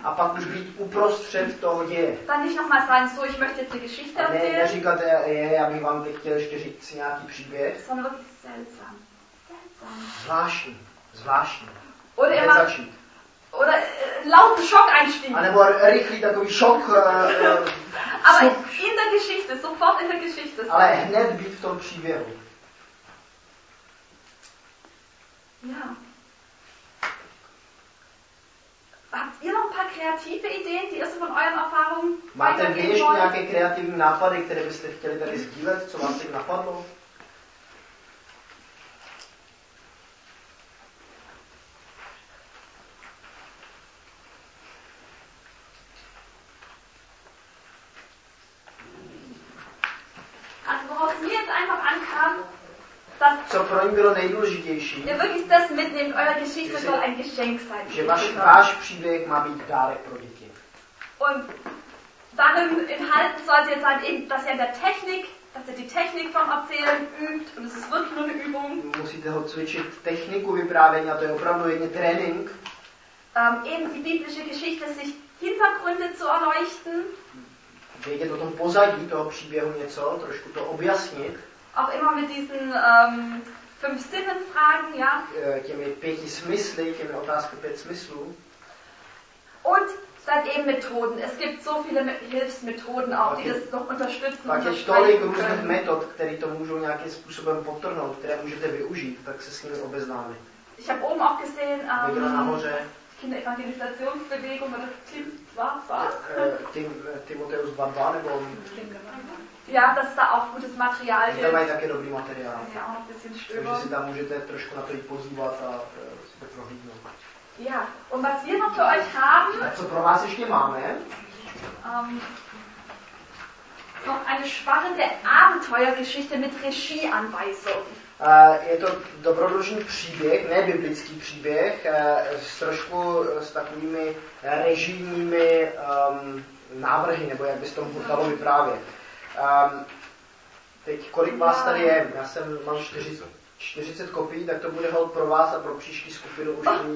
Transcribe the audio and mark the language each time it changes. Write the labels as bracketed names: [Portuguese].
[Czech] A pak už být uprostřed toho děje. [German] Dann nicht nochmal sagen, so ich möchte jetzt die Geschichte erzählen. [Czech] Ne, neříkat, já bych vám teď chtěl ještě říct nějaký příběh. [German] Sondern wirklich seltsam. [Czech] Zvláštní, zvláštní. [German] Oder er war, oder lauten Schock einstieg. [Czech] A nebo rychlý takový šok. [German] Aber in der Geschichte, sofort in der Geschichte. [Czech] Ale hned být v tom příběhu. [German] Ja. Habt ihr noch ein paar kreative Ideen, die ihr so von euren Erfahrungen weitergeben wollt? [Czech] Máte vy ještě nějaké kreativní nápady, které byste chtěli tady sdílet, co vám tak napadlo? [German] Also, worauf mir jetzt einfach ankam, dass [Czech] co pro ně bylo nejdůležitější? [German] Ihr wirklich das mitnehmt, eure Geschichte soll ein Geschenk sein. [Czech] Že váš příběh má být dárek pro děti. [German] Und darin enthalten sollte jetzt sein, eben, dass ihr der Technik, dass ihr die Technik vom Erzählen übt und es ist wirklich nur eine Übung. [Czech] Musíte ho cvičit techniku vyprávění, a to je opravdu jen trénink. [German] Eben die biblische Geschichte, sich Hintergründe zu erleuchten. [Czech] Vědět o tom pozadí toho příběhu něco, trošku to objasnit. [German] Auch immer mit diesen fünf Sinnenfragen, ja. [Czech] Těmi pěti smysly, těmi otázky pět smyslů. [German] Und dann eben Methoden. Es gibt so viele Hilfsmethoden auch, die das noch unterstützen. [Czech] Pak je tolik různých metod, které to můžou nějakým způsobem potrhnout, které můžete využít, tak se s nimi obeznámit. [German] Ich habe oben auch gesehen, Kinderevangelisationsbewegung, oder Tim Wabba? [Czech] Timotheus Wabba, nebo... [German] Ja, dass da auch gutes Material ist. [Czech] Da mají také dobrý materiál. [German] Ja, auch ein bisschen Stöber. [Czech] Takže si tam můžete trošku na to jít pozývat a si to prohlídnout. [German] Ja, und was wir noch für euch haben... [Czech] A co pro vás ještě máme? [German] Noch eine spannende Abenteuergeschichte mit Regieanweisung. [Czech] Je to dobrodružný příběh, ne biblický příběh, s trošku s takovými režijními návrhy, nebo jak bys tomu dalo vyprávět. Teď kolik vás tady je? Já jsem mám 40 kopií, tak to bude hod pro vás a pro příští skupinu už.